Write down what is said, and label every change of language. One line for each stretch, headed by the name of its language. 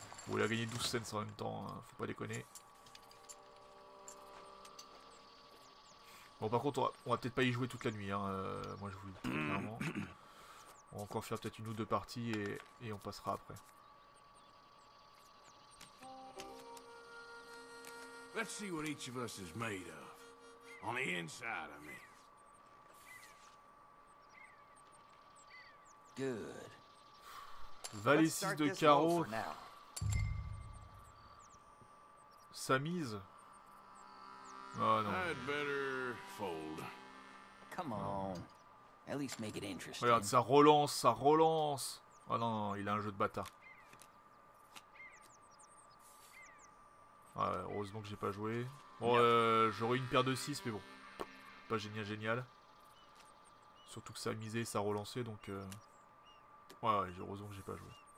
French: Oh, il a gagné 12 cents en même temps, hein. Faut pas déconner. Bon, par contre, on va peut-être pas y jouer toute la nuit, hein. Moi je vous le dis clairement. On va encore faire peut-être une ou deux parties et on passera après.
English: Let's see what each of us is made of. On the inside, I mean. Good.
French: Valet 6 de carreau. Sa mise. Oh non.
English: I'd better fold. Come on. At least make it interesting.
French: Regarde, ça relance, ça relance. Oh non, non, il a un jeu de bâtard. Ouais, heureusement que j'ai pas joué. Bon, yep. J'aurais une paire de 6, mais bon. Pas génial, génial. Surtout que ça a misé, ça a relancé, donc... ouais, heureusement que j'ai pas joué.